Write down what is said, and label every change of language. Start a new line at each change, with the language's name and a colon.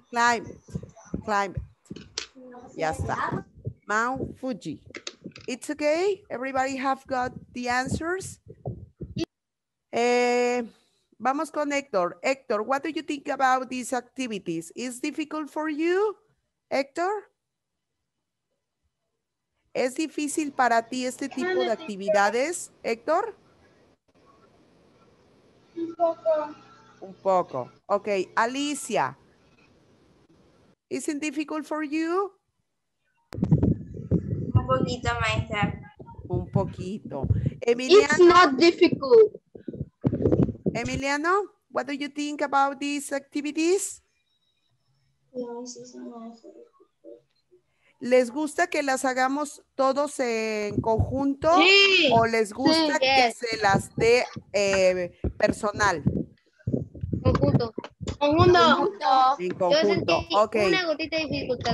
English: Climb it. Climb it.
Spanish: Ya está.
English: Mount Fuji. It's okay. Everybody have got the answers.
Spanish: Vamos con Héctor.
English: Héctor, what do you think about these activities? Is difficult for you, Héctor?
Spanish: ¿Es difícil para ti este tipo de actividades, Héctor? Un poco. Un poco.
English: Okay, Alicia. Is it difficult for you?
Spanish: Un poquito, maestra. Un poquito. Emiliano.
English: It's not difficult. Emiliano, what do you think about these activities?
Spanish: ¿Les gusta que las hagamos todos en conjunto? Sí. ¿O les gusta sí, que se las dé personal? Conjunto. Conjunto. En conjunto. Yo sentí una gotita de dificultad.